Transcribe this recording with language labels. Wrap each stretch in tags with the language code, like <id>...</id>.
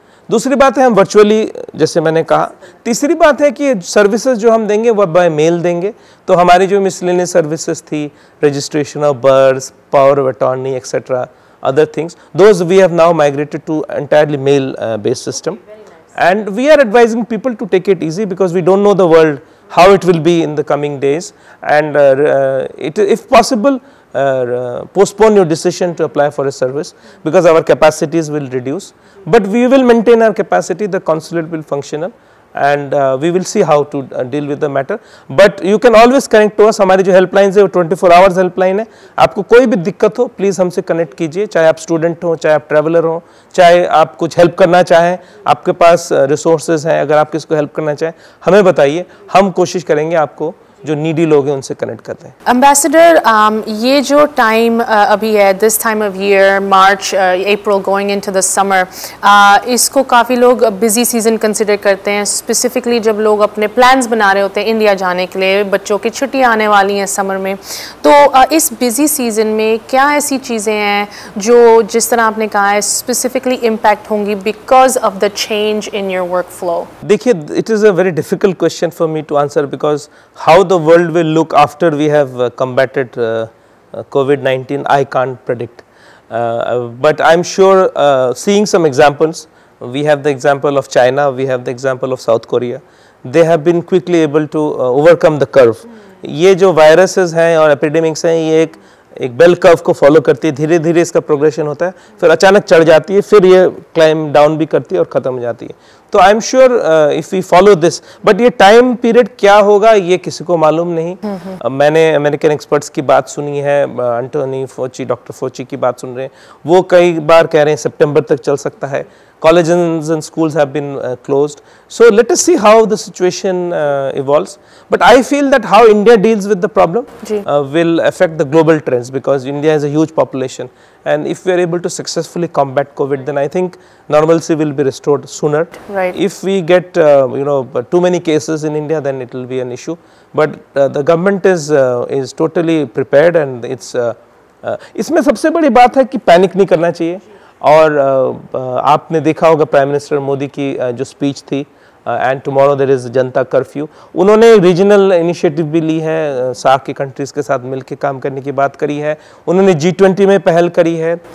<hi>दूसरी बात है हम वर्चुअली, जैसे मैंने कहा. तीसरी बात है कि सर्विसेज जो हम देंगे वह बाय मेल देंगे, तो हमारी जो मिसलेनियस सर्विसेज थी, registration of birth, power of attorney etcetera other things,</hi> <en>Those we have now migrated to entirely mail based system. And we are advising people to take it easy because we don't know the world how it will be in the coming days, and it if possible postpone your decision to apply for a service because our capacities will reduce, but we will maintain our capacity, the consulate will functional, and we will see how to deal with the matter. But you can always connect to us.</en> <hi>Hamari jo helpline hai</hi> <en>wo 24 hours helpline hai.</en> <hi>Aapko koi bhi dikkat ho, please humse connect kijiye, chahe aap student ho, chahe aap traveler ho, chahe aap kuch help karna chahe, aapke paas resources hai, agar aap kisko help karna chahe, hame bataiye, hum koshish karenge aapko जो needy लोग हैं उनसे connect करते हैं. Ambassador, ये जो time अभी है,</hi> <en>this time of year, March April going into the summer,</en> <hi>इसको काफ़ी लोग बिजी सीजन कंसिडर करते हैं, स्पेसिफिकली जब लोग अपने प्लान्स बना रहे होते हैं इंडिया जाने के लिए, बच्चों की छुट्टियां आने वाली हैं समर में. तो इस बिजी सीजन में क्या ऐसी चीज़ें हैं जो, जिस तरह आपने कहा है, स्पेसिफिकली इम्पैक्ट होंगी</hi> <en>Because of the change in your work flow? देखिए, it is a very difficult question for me to answer because how the world will look after we have combated COVID-19, I can't predict. But I'm sure seeing some examples, we have the example of China, we have the example of South Korea, they have been quickly able to overcome the curve.</en> <hi>ये जो viruses हैं और epidemics हैं, ये एक bell curve को follow करती है, धीरे धीरे इसका progression होता है, फिर अचानक चढ़ जाती है, फिर ये climb down भी करती है और ख़त्म हो जाती है. तो</hi> <en>I am sure if we follow this,</en> <hi>but ये टाइम पीरियड क्या होगा ये किसी को मालूम नहीं. मैंने अमेरिकन एक्सपर्ट्स की बात सुनी है, एंटोनी फोची, डॉक्टर फोची की बात सुन रहे हैं, वो कई बार कह रहे हैं सितंबर तक चल सकता है.</hi> <en>Colleges and schools have been closed, so let us see how the situation evolves. But I feel that how India deals with the problem will affect the global trends because India has a huge population. And if we are able to successfully combat COVID, then I think normalcy will be restored sooner. Right. If we get too many cases in India, then it will be an issue. But the government is totally prepared, and it's</en> <hi>इसमें सबसे बड़ी बात है कि panic नहीं करना चाहिए. और आपने देखा होगा प्राइम मिनिस्टर मोदी की जो स्पीच थी,</hi> <en>and tomorrow there is</en> <hi>Janata curfew. उन्होंने रीजनल इनिशिएटिव भी ली है, सार्क की कंट्रीज के साथ मिलकर काम करने की बात करी है, उन्होंने G20 में पहल करी है.</hi>